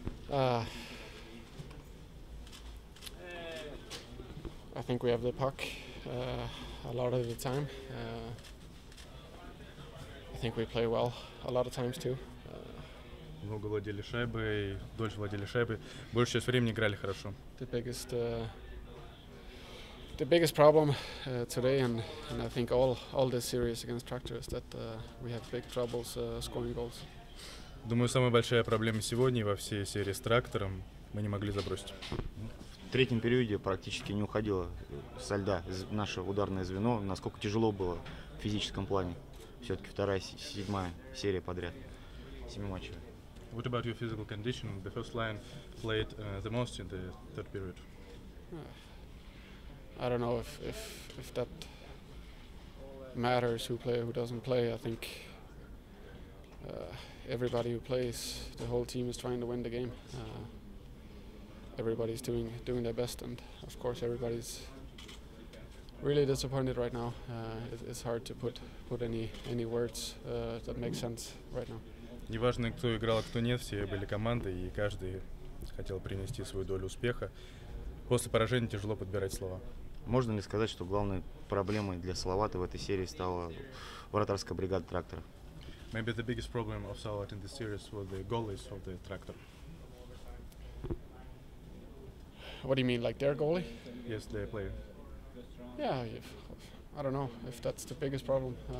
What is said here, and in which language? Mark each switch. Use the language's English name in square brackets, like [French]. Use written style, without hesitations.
[English] I think we have the puck a lot of the time. I think we play well a lot of times too. [Russian] Много владели шайбой, дольше владели шайбой, большую часть времени играли хорошо. [English] The biggest problem today, and I think all this series against Tractor, is that we have big troubles scoring goals. [Russian] Думаю, самая большая проблема сегодня во всей серии с Трактором — мы не могли забросить. В третьем периоде практически не уходило со льда наше ударное звено. Насколько тяжело было в физическом плане? Все-таки вторая, седьмая серия подряд, семи матчей. [English] What about your physical condition? The first line played the most in the third period. I don't know if that matters, who play, who doesn't play. I think everybody who plays, the whole team is trying to win the game. Everybody's doing their best, and of course everybody's really disappointed right now. It's hard to put any words that make sense right now. [Russian] Неважно, кто играл, кто нет, все были команды, и каждый хотел принести свою долю успеха. После поражения тяжело подбирать слова. Можно ли сказать, что главной проблемой для Салавата в этой серии стала вратарская бригада Трактора? [English] Maybe the biggest problem of Salavat in this series was the goalies of the Tractor. What do you mean, like their goalie? Yes, their player. Yeah, I don't know if that's the biggest problem.